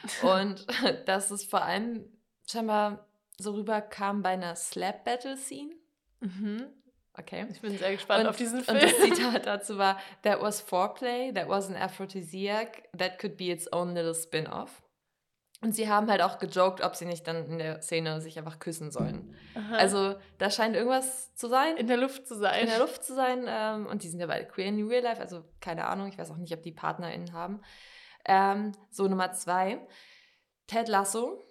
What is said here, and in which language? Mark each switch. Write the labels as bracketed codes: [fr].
[de] Und dass es vor allem scheinbar so rüberkam bei einer Slap-Battle-Scene. Mhm. Okay. Ich bin sehr gespannt auf diesen Film. [en] Und das Zitat dazu war, that was foreplay, that was an aphrodisiac, that could be its own little spin-off. [de] Und sie haben halt auch gejoked, ob sie nicht dann in der Szene sich einfach küssen sollen. Aha. Also da scheint irgendwas zu sein. In der Luft zu sein. In der Luft zu sein. Und die sind ja beide queer in real life, also keine Ahnung. Ich weiß auch nicht, ob die PartnerInnen haben. So Nummer zwei. Ted Lasso.